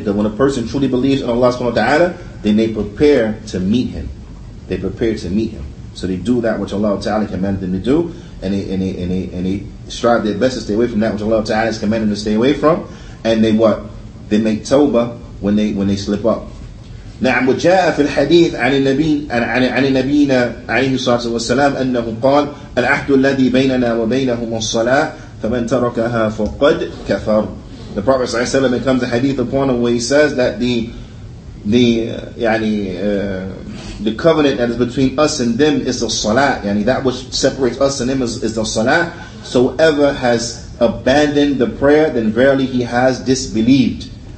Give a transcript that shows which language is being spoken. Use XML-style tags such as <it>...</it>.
<en>Because when a person truly believes in Allah subhanahu wa ta'ala, then they prepare to meet Him. They prepare to meet Him. So they do that which Allah Ta'ala commanded them to do, and they strive their best to stay away from that which Allah Ta'ala has commanded them to stay away from, and they what? They make tawbah when they slip up.</en> <ar>نعم وجاء في الحديث عن النبي عن نبينا عليه الصلاة والسلام أنه قال العهد الذي بيننا وبينهم الصلاة فمن تركها فقد كفر.</ar> <en>The Prophet</en> <ar>صلى الله عليه وسلم,</ar> <en>it comes a hadith upon him where he says that the covenant that is between us and them is the salah. Yani that which separates us and them is the salah. So whoever has abandoned the prayer, then verily he has disbelieved.</en>